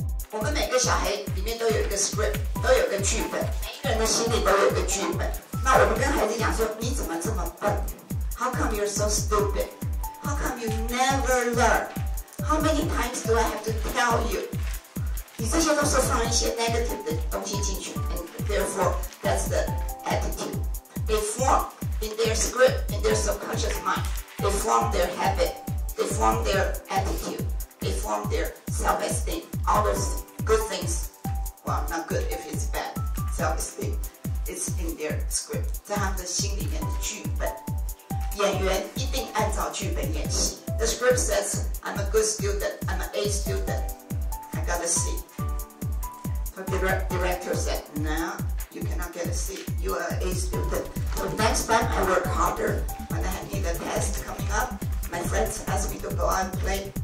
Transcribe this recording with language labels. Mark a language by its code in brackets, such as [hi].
[zh] 我们每个小孩里面都有一个 script， 都有一个剧本，每一个人的心里都有一个剧本。那我们跟孩子讲说，你怎么这么笨？ [en] How come you're so stupid? How come you never learn? How many times do I have to tell you? [zh] 你这些都是放一些 negative 的东西进去， [en] and therefore that's the attitude they form in their script, in their subconscious mind. They form their habit, they form their attitude, they form their self-esteem, all those good things. Well, not good if it's bad, self-esteem. It's in their script， [zh] 在他们的心里面的剧本。演员一定按照剧本演戏。 [en] The script says I'm a good student, I'm an A student, I got a C. But the director said, No, you cannot get a C. You are an A student. So next time I work harder. When I need a test coming up, my friends ask me to go out and play.